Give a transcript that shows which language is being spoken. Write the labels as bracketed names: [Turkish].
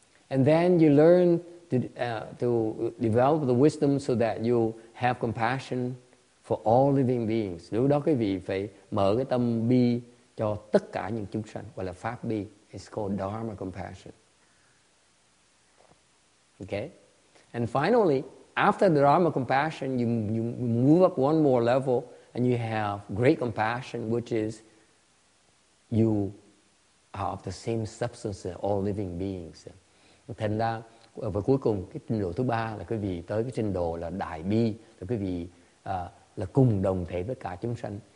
[English] And then you learn to develop the wisdom so that you have compassion for all living beings. [Vietnamese] Lúc đó quý vị phải mở cái tâm bi cho tất cả những chúng sanh, gọi là pháp bi. [English] It's called dharma compassion. Okay? And finally, after the dharma compassion, you move up one more level and you have great compassion, which is you are of the same substance as all living beings. [Vietnamese] Thành ra, và cuối cùng, cái trình độ thứ ba là quý vị tới cái trình độ là đại bi, là quý vị là cùng đồng thể với cả chúng sanh.